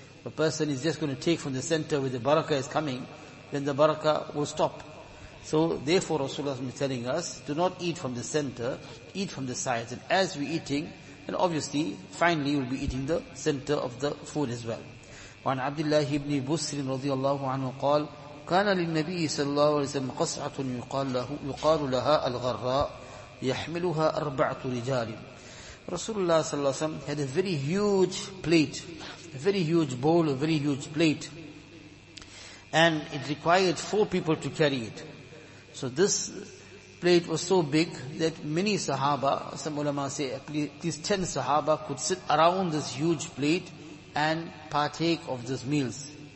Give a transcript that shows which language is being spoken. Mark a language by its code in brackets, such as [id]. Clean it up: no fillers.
[en] If a person is just going to take from the center where the barakah is coming, then the barakah will stop. So therefore Rasulullah is telling us, do not eat from the center, eat from the sides. And as we're eating, then obviously, finally you'll be eating the center of the food as well. [ar] وَعَنْ عَبْدِ اللَّهِ بْنِ بُسْرٍ رَضِيَ اللَّهُ عَنْهُ قَالْ كان للنبي صلى الله عليه وسلم قصعة يقال لها الغراء يحملها أربعة رجال. [en] Rasulullah [ar] صلى الله عليه وسلم [en] had a very huge plate, a very huge bowl, a very huge plate, and it required four people to carry it. So this plate was so big that many Sahaba, some ulama say at least 10 Sahaba could sit around this huge plate and partake of these meals.